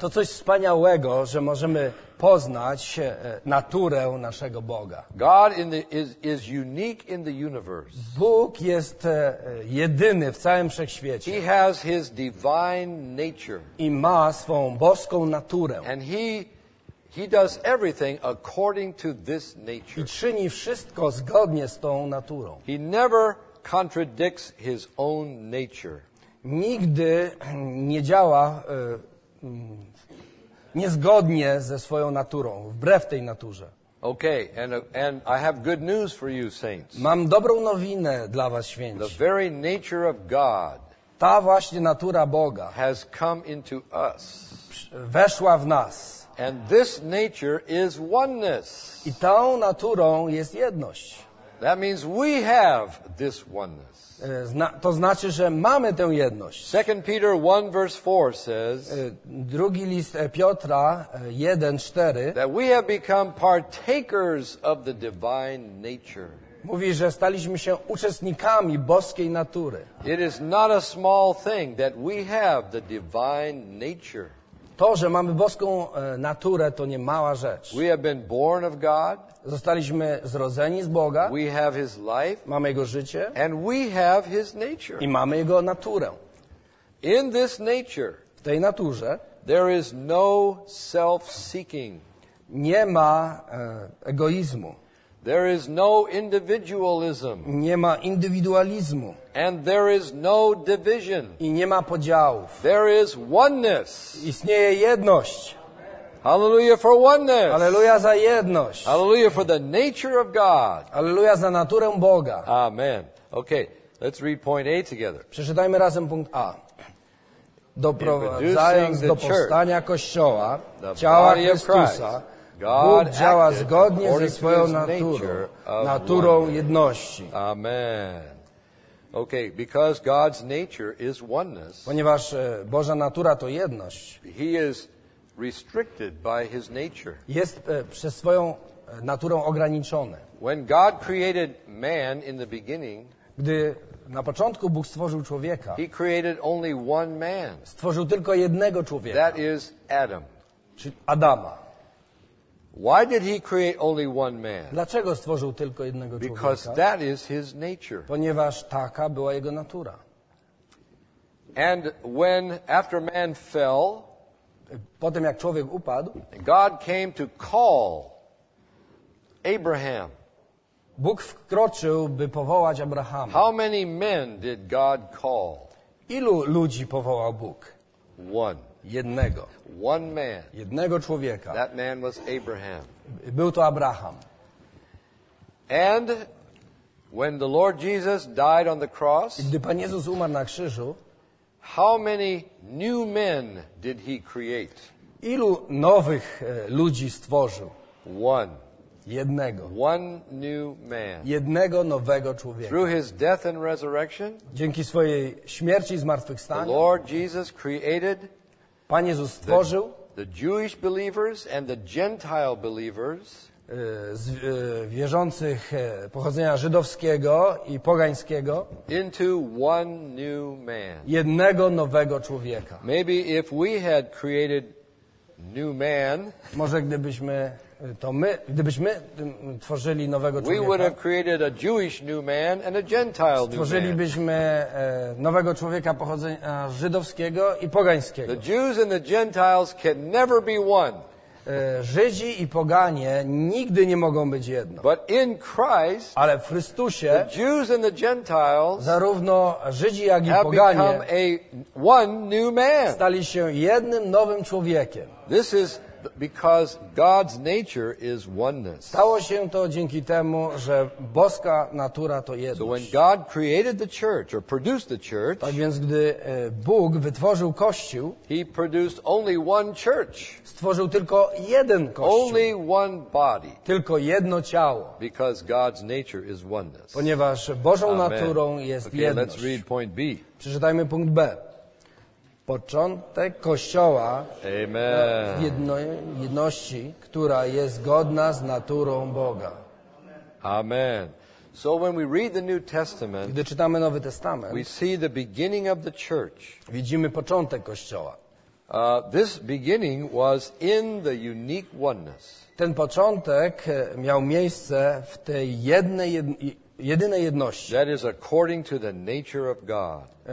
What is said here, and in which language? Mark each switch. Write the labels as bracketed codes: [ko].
[pl] To coś wspaniałego, że możemy poznać naturę naszego Boga. [en] God is unique in the universe. [pl] Bóg jest jedyny w całym wszechświecie. [en] He has his divine nature. [pl] I ma swą boską naturę. [en] And he does everything according to this nature. [pl] I czyni wszystko zgodnie z tą naturą. [en] He never contradicts his own nature. [pl] Nigdy nie działa niezgodnie ze swoją naturą, wbrew tej naturze. [en] Okay, and I have good news for you, saints. [pl] Mam dobrą nowinę dla was, święci. [en] The very nature of God. [pl] Ta właśnie natura Boga. [en] Has come into us. [pl] Weszła w nas. [en] And this nature is oneness. [pl] I tą naturą jest jedność. [en] That means we have this oneness. [pl] To znaczy, że mamy tę jedność. [en] 2 Peter 1 verse 4 says. [pl] Drugi list Piotra 1:4. [en] That we have become partakers of the divine nature. [pl] Mówi, że staliśmy się uczestnikami boskiej natury. [en] It is not a small thing that we have the divine nature. [pl] To, że mamy boską naturę, to nie mała rzecz. [en] We have been born of God. [pl] Zostaliśmy zrodzeni z Boga. [en] We have his life. [pl] Mamy jego życie. [en] And we have his nature. [pl] I mamy jego naturę. [en] In this nature, [pl] w tej naturze, [en] there is no self-seeking. [pl] Nie ma egoizmu. [en] There is no individualism. [pl] Nie ma indywidualizmu. [en] And there is no division. [pl] I nie ma podziałów. [en] There is oneness. [pl] Istnieje jedność. [en] Hallelujah for oneness. [pl] Hallelujah za jedność. [en] Hallelujah for the nature of God. [pl] Hallelujah za naturę Boga. [en] Amen. Okay, let's read point A together. [pl] Przeczytajmy razem punkt A. Doprowadzając do powstania Kościoła, ciała Chrystusa, Bóg działa zgodnie ze swoją naturą, naturą jedności. [en] Amen. Okay, because God's nature is oneness. [pl] Ponieważ Boża natura to jedność. [en] He is restricted by his nature. [pl] Jest przez swoją naturę ograniczony. [en] When God created man in the beginning, [pl] gdy na początku Bóg stworzył człowieka, [en] he created only one man. [pl] Stworzył tylko jednego człowieka. [en] That is Adam. [pl] Czyli Adama. [en] Why did he create only one man? [pl] Dlaczego stworzył tylko jednego człowieka? [en] Because that is his nature. [pl] Ponieważ taka była jego natura. [en] And when after man fell, [pl] po tym jak człowiek upadł, [en] God came to call Abraham. [pl] Bóg wkroczył, by powołać Abrahama. [en] How many men did God call? [pl] Ilu ludzi powołał Bóg? [en] One. [pl] Jednego. [en] One man. [pl] Jednego człowieka. [en] That man was Abraham. [pl] Był to Abraham. [en] And when the Lord Jesus died on the cross, [pl] gdy Pan Jezus umarł na krzyżu, [en] how many new men did he create? [pl] Ilu nowych ludzi stworzył? [en] One. [pl] Jednego. [en] One new man. [pl] Jednego nowego człowieka. [en] Through his death and resurrection, [pl] dzięki swojej śmierci i zmartwychwstaniu, [en] the Lord Jesus created, [pl] Pan Jezus stworzył [en] the Jewish believers and the Gentile believers, [pl] z wierzących pochodzenia żydowskiego i pogańskiego, [en] into one new man. [pl] Jednego nowego człowieka. [en] Maybe if we had created new man, [pl] może gdybyśmy to my, gdybyśmy tworzyli nowego człowieka, [en] we would have created a Jewish new man and a Gentile new man. [pl] Stworzylibyśmy nowego człowieka pochodzenia żydowskiego i pogańskiego. [en] The Jews and the Gentiles can never be one. [pl] Żydzi i poganie nigdy nie mogą być jedno. [en] But in Christ, [pl] ale w Chrystusie, [en] the Jews and the Gentiles, [pl] zarówno Żydzi, jak i poganie, [en] have become a one new man. [pl] Stali się jednym nowym człowiekiem. [en] This is because God's nature is oneness. [pl] Stało się to dzięki temu, że boska natura to jedność. [en] So when God created the church or produced the church, [pl] tak więc gdy Bóg wytworzył kościół, [en] he produced only one church. [pl] Stworzył tylko jeden kościół. [en] Only one body. [pl] Tylko jedno ciało. [en] Because God's nature is oneness. [pl] Ponieważ Bożą Amen. Naturą jest [en] okay, [pl] jedność. [en] Let's read point B. [pl] Przeczytajmy punkt B. Początek Kościoła w jedności, która jest zgodna z naturą Boga. [en] Amen. So when we read the New Testament, [pl] gdy czytamy Nowy Testament, [en] we see the beginning of the church. [pl] Widzimy początek Kościoła. [en] This beginning was in the unique oneness. [pl] Ten początek miał miejsce w tej jedynej jedności. [en] That is according to the nature of God.